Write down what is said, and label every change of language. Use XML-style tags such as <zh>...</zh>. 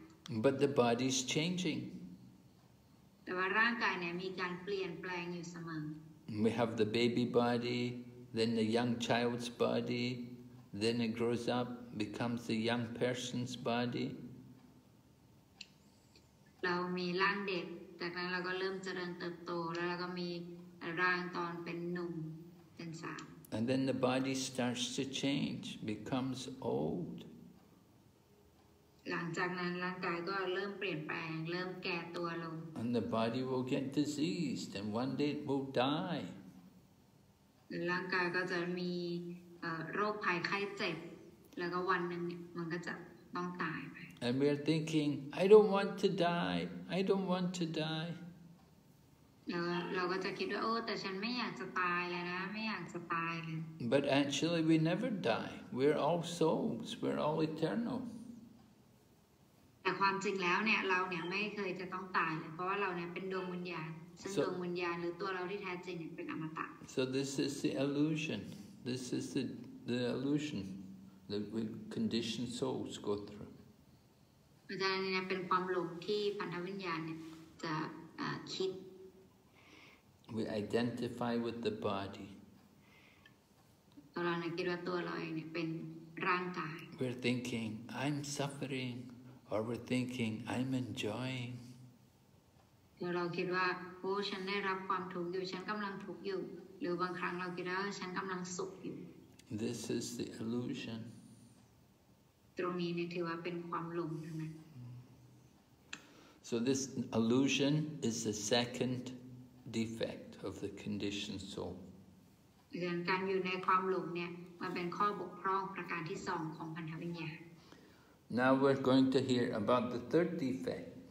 <en>But the body is changing.</en> <th>แต่ว่าร่างกายเนี่ยมีการเปลี่ยนแปลงอยู่เสมอ</th> <en>We have the baby body, then the young child's body, then it grows up, becomes the young person's body.</en> <th>เรามีร่างเด็กจากนั้นเราก็เริ่มเจริญเติบโตแล้วเราก็มีร่างตอนเป็นหนุ่มเป็นสาว</th> <en>And then the body starts to change, becomes old.</en> <th>หลังจากนั้นร่างกายก็เริ่มเปลี่ยนแปลงเริ่มแก่ตัวลง</th> <en>And the body will get diseased and one day it will die</en> <th>ร่างกายก็จะมีโรคภัยไข้เจ็บแล้วก็วันหนึ่งมันก็จะต้องตายไป</th> <en>And we are thinking I don't want to die I don't want to die</en> <th>เราก็จะคิดว่าโอ้แต่ฉันไม่อยากจะตายแล้วนะไม่อยากจะตายเลย</th> <en>But actually we never die we're all souls we're all eternal</en> <th>แต่ความจริงแล้วเนี่ยเราเนี่ยไม่เคยจะต้องตายเลยเพราะว่าเราเนี่ยเป็นดวงวิญญาณซึ่งดวงวิญญาณหรือตัวเราที่แท้จริงเนี่ยเป็นอมตะ</th> <en>So this is the illusion. This is the illusion that we conditioned souls go through.</en> <th>อาจารย์เนี่ยเป็นความหลงที่พันธวิญญาณเนี่ยจะคิด</th> <en>We identify with the body.</en> <th>ตัวเราเนี่ยคิดว่าตัวเราเนี่ยเป็นร่างกาย</th> <en>We're thinking, I'm suffering. Or we're thinking, I'm enjoying.</en> <th>เราคิดว่าโอ้ฉันได้รับความทุกข์อยู่ฉันกำลังทุกข์อยู่หรือบางครั้งเราคิดว่าฉันกำลังสุขอยู่</th> <en>This is the illusion.</en> <th>ตรงนี้เนี่ยถือว่าเป็นความหลงทั้งนั้น</th> <en>So this illusion is the second defect of the conditioned soul.</en> <th>เรื่องการอยู่ในความหลงเนี่ยมันเป็นข้อบกพร่องประการที่สองของพันธวิญญาณ</th> <en>Now we're going to hear about the third defect.</en>